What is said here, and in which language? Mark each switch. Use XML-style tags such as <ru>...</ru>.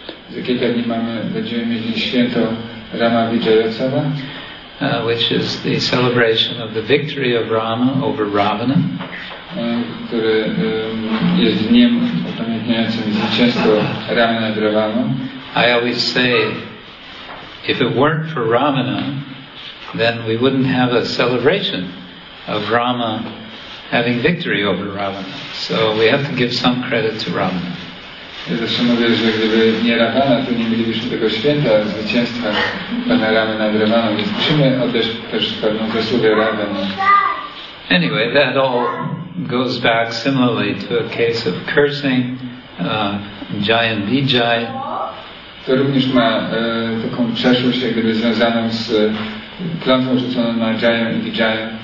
<pl>Za kilka dni będziemy mieć święto Rama Vijayotsava,</pl> <en>which is the celebration of the victory of Rama over Ravana.</en> <pl>Które jest dniem upamiętniającym zwycięstwo Ramy nad Ravaną.</pl> <en>I always say, if it weren't for Ravana, then we wouldn't have a celebration of Rama having victory over Ravana. So we have to give some credit to Ravana.</en> <pl>Ja zawsze mówię, że gdyby nie Ravana, to nie mielibyśmy tego święta, zwycięstwa Pana Ramy nad Ravaną. Więc musimy oddać też pewną zasługę Ravana.</pl> <en>Anyway, that all goes back similarly to a case of cursing Jayan Vijay.</en> <pl>To również ma taką przeszłość, jak gdyby związaną z klątwą rzuconą na Jayan Vijay.</pl>